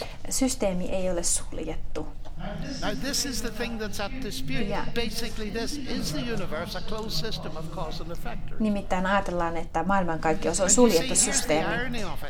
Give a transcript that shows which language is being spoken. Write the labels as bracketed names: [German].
[Finnish] Systeemi ei ole suljettu. [English] Now this is the thing that's at dispute. Yeah. Basically this is the universe a closed system of cause and effect. [Finnish] Nimittäin ajatellaan, että maailmankaikkeus on suljettu systeemi.